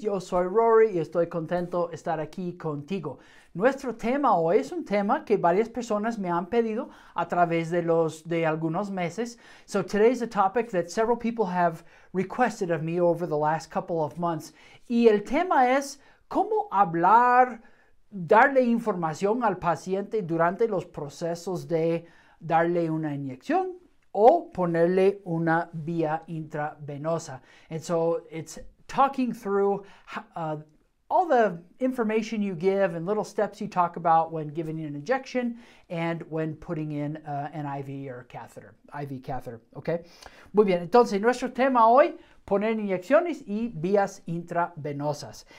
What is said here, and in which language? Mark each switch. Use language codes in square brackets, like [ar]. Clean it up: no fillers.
[es] Yo soy Rory y estoy contento de estar aquí contigo. Nuestro tema hoy es un tema que varias personas me han pedido a través de algunos meses. [en] So today is a topic that several people have requested of me over the last couple of months. [es] Y el tema es cómo hablar, darle información al paciente durante los procesos de darle una inyección o ponerle una vía intravenosa. [en] And so it's talking through all the information you give and little steps you talk about when giving an injection and when putting in an IV or catheter, IV catheter, okay? [es] Muy bien, entonces nuestro tema hoy, poner inyecciones y vías intravenosas.